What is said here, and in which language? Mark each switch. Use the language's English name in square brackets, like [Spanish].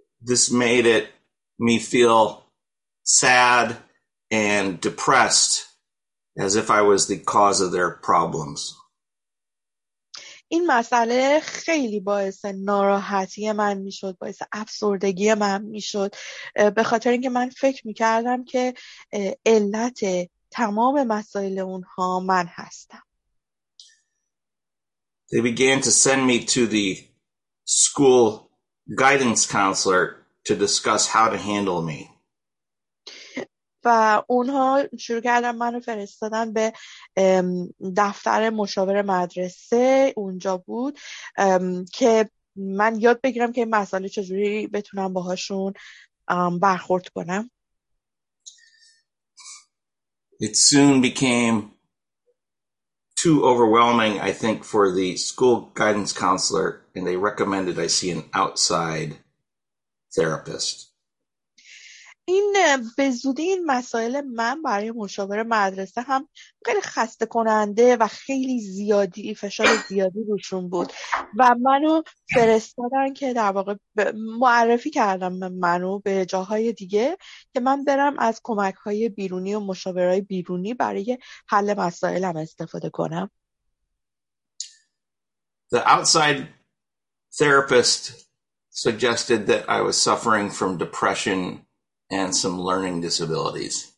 [English] This made it me feel sad and depressed as if I was the cause of their problems. [Persian] این مسئله خیلی باعث ناراحتی من میشد، باعث افسردگی من میشد به خاطر اینکه من فکر میکردم که علت تمام مسائل اونها من هستم. [English] They began to send me to the school guidance counselor to discuss how to handle me. [Persian] و اونها شروع کردن منو فرستادن به دفتر مشاور مدرسه اونجا بود که من یاد بگیرم که مسئله چجوری بتونم باهاشون برخورد کنم. [English] It soon became too overwhelming, I think, for the school guidance counselor, and they recommended I see an outside therapist. [Persian] این به زودی این مسائل من برای مشاور مدرسه هم خیلی خسته کننده و خیلی زیادی فشار زیادی روشون بود و منو فرستادن که در واقع معرفی کردم منو به جاهای دیگه که من برم از کمک‌های بیرونی و مشاورای بیرونی برای حل مسائلم استفاده کنم. [English] The outside therapist suggested that I was suffering from depression and some learning disabilities.